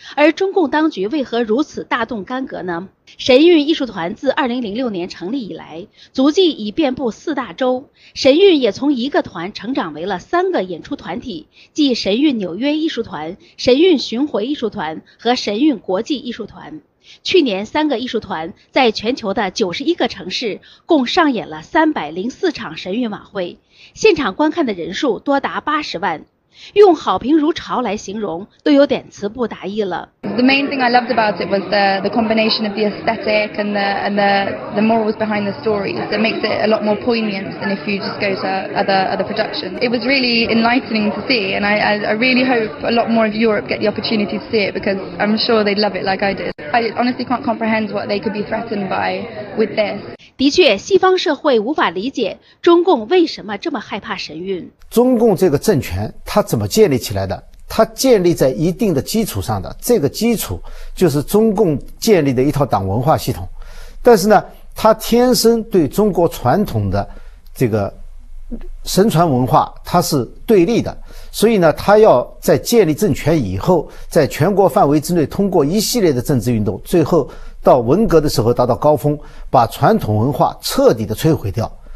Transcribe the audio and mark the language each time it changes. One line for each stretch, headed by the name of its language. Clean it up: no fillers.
Chinese: 而中共当局为何如此大动干戈呢？神韵艺术团自2006年成立以来，足迹已遍布4大洲，神韵也从一个团成长为了3个演出团体，即神韵纽约艺术团、神韵巡回艺术团和神韵国际艺术团。去年3个艺术团在全球的91个城市共上演了304场神韵晚会，现场观看的人数多达80万，用好评如潮来形容都有点词不达意了。
English: The main thing I loved about it was the combination of the aesthetic and the morals behind the stories that makes it a lot more poignant than if you just go to other productions. It was really enlightening to see and I really hope a lot more of Europe get the opportunity to see it because I'm sure they'd love it like I did. I honestly can't comprehend what they could be threatened by with this.
Chinese: 的确西方社会无法理解中共为什么这么害怕神韵。中共这个政权它怎么建立起来的？它建立在一定的基础上的，这个基础就是中共建立的一套党文化系统。但是呢，它天生对中国传统的这个神传文化它是对立的，所以呢，它要在建立政权以后，在全国范围之内通过一系列的政治运动，最后到文革的时候达到高峰，把传统文化彻底的摧毁掉。